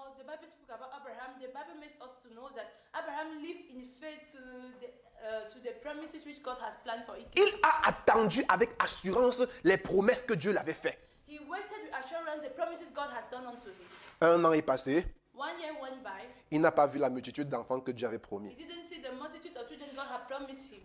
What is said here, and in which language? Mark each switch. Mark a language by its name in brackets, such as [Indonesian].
[English] The Bible spoke about Abraham. The Bible makes us to know that Abraham lived in faith to the promises which God has planned for him. [French] Il a attendu avec assurance les promesses que Dieu l'avait fait. [English] He waited with assurance the promises God has done unto him. [French] Un an est passé. [English] One year went by. [French] Il n'a pas vu la multitude d'enfants que Dieu avait promis. [English] He didn't see the multitude of children God had promised him.